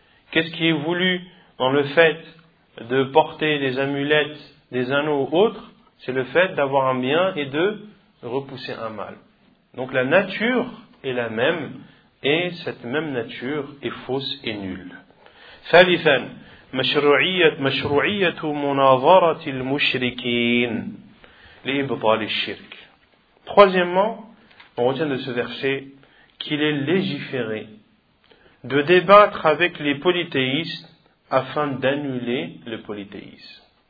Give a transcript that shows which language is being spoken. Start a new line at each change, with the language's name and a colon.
French: Qu'est-ce qui est voulu dans le fait de porter des amulettes, des anneaux ou autres, c'est le fait d'avoir un bien et de repousser un mal. Donc la nature est la même, et cette même nature est fausse et nulle.
Arabic: ثالثاً, مشروعية مناظرة المشركين لإبطال الشرك.
French: Troisièmement, on retient de ce verset qu'il est légiféré de débattre avec les polythéistes afin d'annuler le polythéisme.